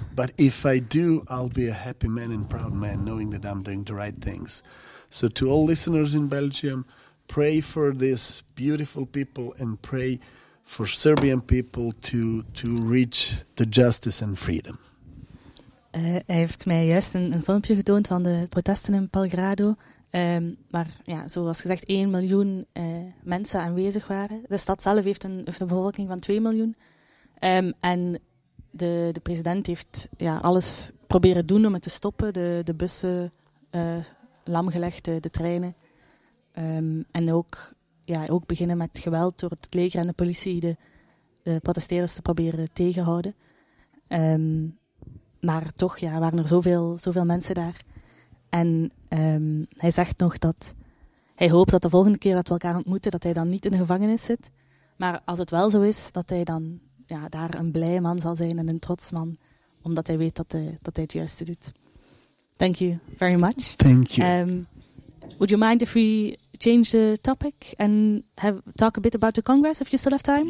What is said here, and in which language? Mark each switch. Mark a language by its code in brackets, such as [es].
[en] But if I do, I'll be a happy man and proud man, knowing that I'm doing the right things. So to all listeners in Belgium, pray for these beautiful people and pray for Serbian people to reach the justice and freedom. [nl] Hij heeft mij juist een filmpje getoond van de protesten in Belgrado, waar, zoals gezegd, 1 miljoen mensen aanwezig waren. De stad zelf heeft een bevolking van 2 miljoen. En de president heeft alles proberen doen om het te stoppen. De bussen lamgelegd, de treinen. En ook beginnen met geweld door het leger en de politie de protesteerders te proberen tegenhouden. Maar toch waren er zoveel mensen daar. En hij zegt nog dat hij hoopt dat de volgende keer dat we elkaar ontmoeten, dat hij dan niet in de gevangenis zit. Maar als het wel zo is, dat hij dan... daar een blij man zal zijn en een trots man, omdat hij weet dat hij het juiste doet. [en] Thank you very much. Thank you. Would you mind if we change the topic and talk a bit about the Congress, if you still have time?